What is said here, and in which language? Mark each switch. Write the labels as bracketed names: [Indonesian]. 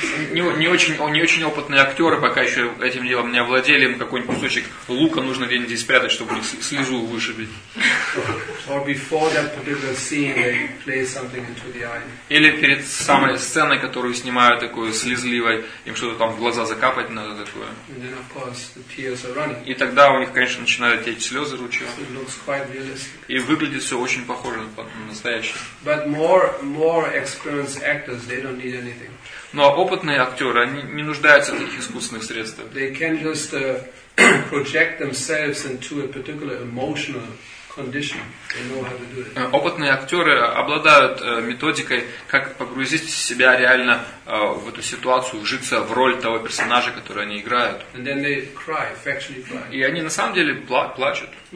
[Russian] Не очень опытные актеры пока еще этим делом не овладели, им какой-нибудь кусочек лука нужно где-нибудь спрятать, чтобы слезу вышибить. [English] Or before that particular scene, they play something into the eye. [Russian] Или перед самой сценой, которую снимают такую слезливой, им что-то там в глаза закапать надо такое. [English] And then, of course, the tears are running. [Russian] И тогда у них, конечно, начинают течь слезы ручьем. И выглядит все очень похоже на настоящее. [English] But more experienced actors, they don't need anything. [Russian] Но опытные актеры, они не нуждаются в таких искусственных средствах. [English] They can just project themselves into a particular emotional condition. They know how to do it. [Russian] Опытные актеры обладают методикой, как погрузить себя реально в эту ситуацию, вжиться в роль того персонажа, который они играют. [English] And then they cry, affectionately cry. [Russian] И они на самом деле плачут.